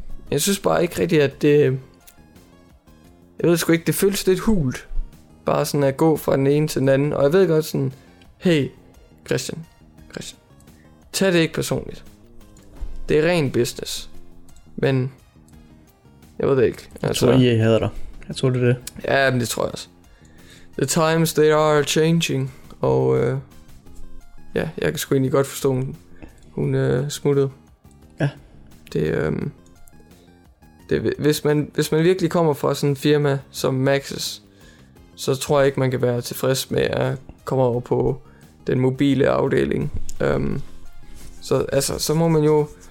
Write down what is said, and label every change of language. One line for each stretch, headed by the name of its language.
Danish: Jeg synes bare ikke rigtigt, at det... Jeg ved sgu ikke, det føles lidt hult. Bare sådan at gå fra den ene til den anden. Og jeg ved godt sådan... Hey, Christian. Tag det ikke personligt. Det er ren business. Men... Jeg ved det ikke. Altså, jeg tror, I hader dig. Jeg tror, det er det. Ja, men det tror jeg også.
English: The times, they are changing.
Danish: Og... ja, jeg kan sgu egentlig godt forstå, hun smuttede. Ja. Hvis man virkelig kommer fra sådan en firma som Maxis, så tror jeg ikke, man kan være tilfreds med at komme over på den mobile afdeling. Så må man jo